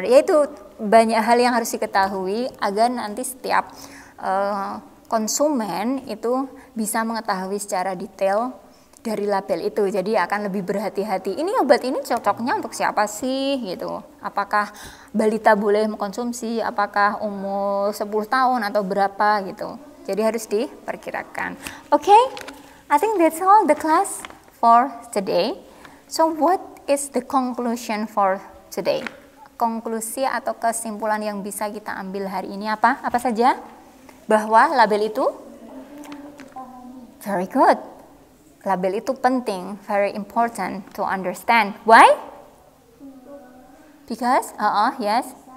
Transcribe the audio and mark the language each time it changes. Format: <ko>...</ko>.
<id>Yaitu banyak hal yang harus diketahui agar nanti setiap konsumen itu bisa mengetahui secara detail dari label itu. Jadi akan lebih berhati-hati. Ini obat ini cocoknya untuk siapa sih? Gitu. Apakah balita boleh mengkonsumsi? Apakah umur 10 tahun atau berapa? Gitu. Jadi harus diperkirakan. Okay.</id> <en>I think that's all the class for today. So what is the conclusion for today?</en> <id>Konklusi atau kesimpulan yang bisa kita ambil hari ini apa? Apa saja? Bahwa label itu?</id> <en>Very good.</en> <id>Label itu penting,</id> <en>very important to understand. Why? Because? Yes.</en>